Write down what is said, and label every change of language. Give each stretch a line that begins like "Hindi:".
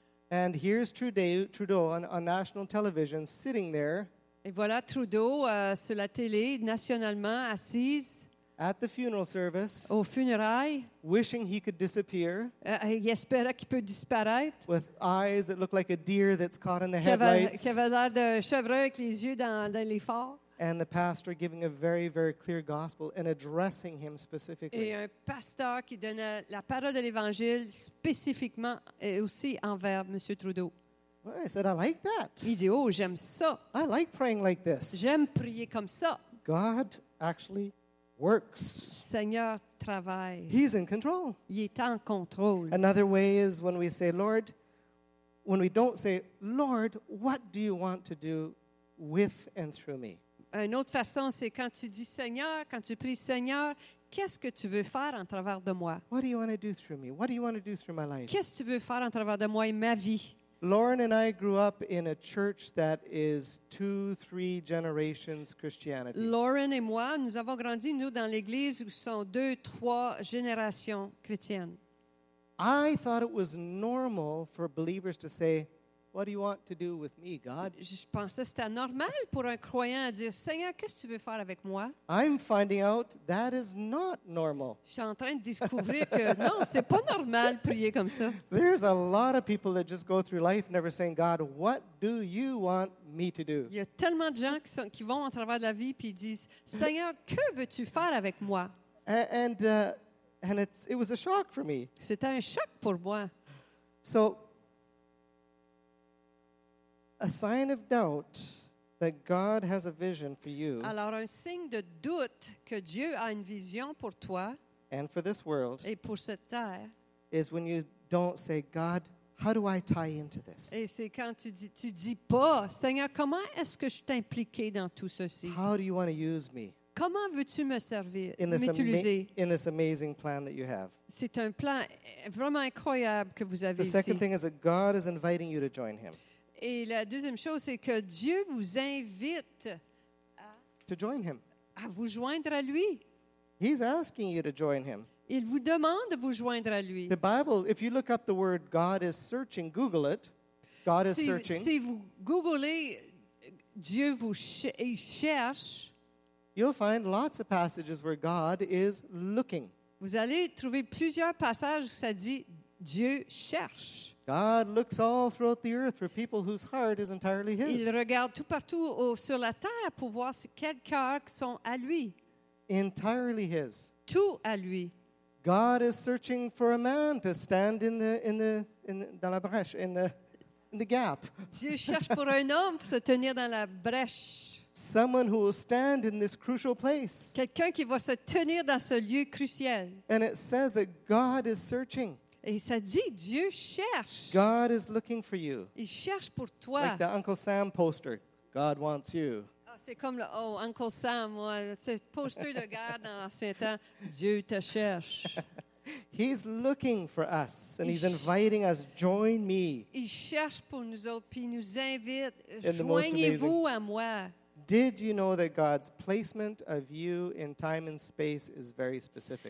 English: And here's Trudeau on national television, sitting there.
French: Et voilà Trudeau sur la télé, nationalement, assise.
English: At the funeral service,
French: au funérail,
English: wishing he could disappear,
French: il espérait qu'il peut disparaître,
English: with eyes that look like a deer that's caught in the headlights,
French: qui avait l'air de chevreuil avec les yeux dans les phares,
English: and the pastor giving a very, very clear gospel and addressing him specifically.
French: Et un pasteur qui donnait la parole de l'Évangile spécifiquement et aussi envers M. Trudeau.
English: Well, I said, I like that.
French: Il dit, oh, j'aime ça.
English: I like praying like this.
French: J'aime prier comme ça.
English: God actually works.
French: Seigneur travaille.
English: He's in control.
French: Il est en contrôle.
English: Another way is when we say, Lord, when we don't say, Lord, what do you want to do with and through me?
French: Une autre façon, c'est quand tu dis Seigneur, quand tu pries Seigneur, qu'est-ce que tu veux faire en travers de moi?
English: What do you want to do through me? What do you want to do through my life?
French: Qu'est-ce que tu veux faire en travers de moi et ma vie?
English: Lauren and I grew up in a church that is 2-3 generations Christianity.
French: Lauren et moi, nous avons grandi, nous, dans l'église où sont 2-3 générations chrétiennes.
English: I thought it was normal for believers to say, what do you want to do with me, God?
French: Je pensais que c'était normal pour un croyant à dire, Seigneur, qu'est-ce que tu veux faire avec moi?
English: I'm finding out that is not normal.
French: Je suis en train de découvrir que non, c'est pas normal prier comme ça.
English: There's a lot of people that just go through life never saying, God, what do you want me to do?
French: Il y a tellement de gens qui vont en travers de la vie puis disent, Seigneur, que veux-tu faire avec moi?
English: And it was a shock for me.
French: C'était un choc pour moi.
English: So, a sign of doubt that God has a vision for you.
French: Alors un signe de doute que Dieu a une vision pour toi.
English: And for this world.
French: Et pour cette terre.
English: Is when you don't say, God, how do I tie into this?
French: Et c'est quand tu dis pas, Seigneur, comment est-ce que je t'impliquer dans tout ceci?
English: How do you want to use me?
French: Comment veux-tu me servir, m'utiliser?
English: In this amazing plan that you have.
French: C'est un plan vraiment incroyable que vous avez ici.
English: The second Thing is that God is inviting you to join him.
French: Et la deuxième chose, c'est que Dieu vous invite à vous joindre à lui.
English: He's asking you to join him.
French: Il vous demande de vous joindre à lui.
English: The Bible, if you look up the word God is searching, Google it. God is searching.
French: Si vous googlez, Dieu vous cherche.
English: You'll find lots of passages where God is looking.
French: Vous allez trouver plusieurs passages où ça dit Dieu cherche.
English: God looks all throughout the earth for people whose heart is entirely His.
French: Il regarde tout partout sur la terre pour voir quels cœurs sont à lui.
English: Entirely His.
French: Tout à lui.
English: God is searching for a man to stand
French: dans la brèche,
English: in the gap.
French: Dieu cherche pour un homme pour se tenir dans la brèche.
English: Someone who will stand in this crucial place.
French: Quelqu'un qui va se tenir dans ce lieu crucial.
English: And it says that God is searching.
French: Et ça dit, Dieu cherche.
English: God is looking for you.
French: Il cherche pour toi.
English: Like the Uncle Sam poster, God wants you.
French: C'est comme le Uncle Sam, ce poster de garde dans l'ancien temps. Dieu te cherche.
English: He's looking for us and he's inviting us, join me.
French: Il cherche pour nous autres puis nous invite, joignez-vous à moi.
English: Did you know that God's placement of you in time and space is very specific?